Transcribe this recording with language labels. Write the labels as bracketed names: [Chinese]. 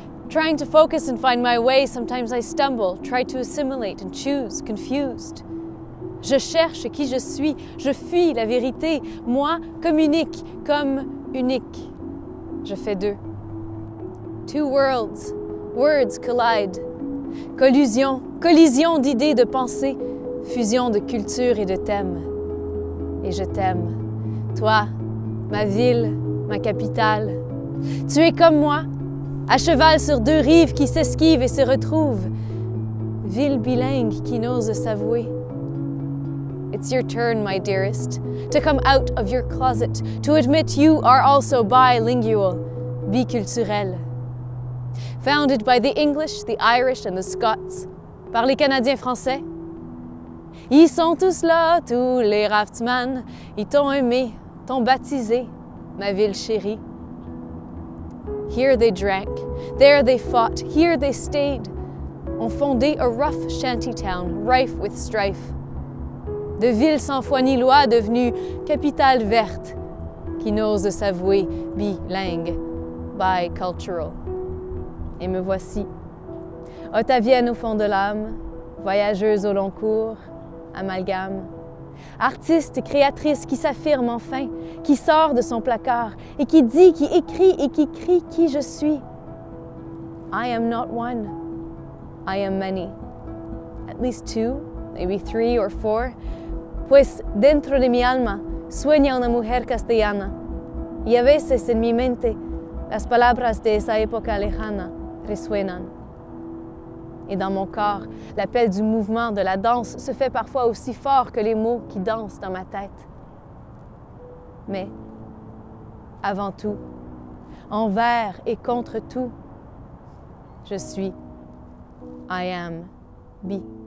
[English] Trying to focus and find my way, sometimes I stumble. Try to assimilate and choose, confused. [French] Je cherche qui je suis, je fuis la vérité. Moi, comme unique, comme unique. Je fais deux. [English] Two worlds. Words collide. [French] Collusion, collision d'idées, de pensées, fusion de cultures et de thèmes. Et je t'aime. Toi, ma ville, ma capitale. Tu es comme moi, à cheval sur deux rives qui s'esquivent et se retrouvent. Ville bilingue qui n'ose s'avouer. [English] It's your turn, my dearest, to come out of your closet, to admit you are also bilingual, biculturel. Founded by the English, the Irish, and the Scots. [French] Par les Canadiens français. Ils sont tous là, tous les raftsmen. Ils t'ont aimé, t'ont baptisé, ma ville chérie. [English] Here they drank, there they fought, here they stayed. [French] Ont fondé [English] a rough shanty town, rife with strife. [French] De ville sans foi ni loi devenue capitale verte, qui n'ose s'avouer bilingue, bicultural. Et me voici, ottavienne au fond de l'âme, voyageuse au long cours, amalgame. Artiste, créatrice qui s'affirme enfin, qui sort de son placard et qui dit, qui écrit et qui crie qui je suis. [English] I am not one, I am many. At least two, maybe three or four. [Spanish] Pues dentro de mi alma sueña una mujer castellana. Y a veces en mi mente las palabras de esa época lejana. Resuenan. [French] Et dans mon corps, l'appel du mouvement, de la danse, se fait parfois aussi fort que les mots qui dansent dans ma tête. Mais, avant tout, envers et contre tout, je suis, [English] I am, [French] bi.